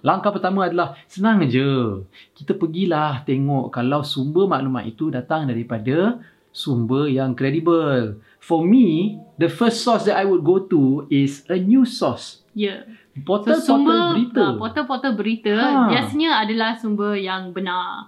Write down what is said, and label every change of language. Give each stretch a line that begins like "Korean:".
Malay: Langkah pertama adalah senang je. Kita pergilah tengok kalau sumber maklumat itu datang daripada sumber yang credible.
English: For me, the first source that I would go to is a news source.
Malay: Portal-portal berita biasanya adalah sumber yang benar.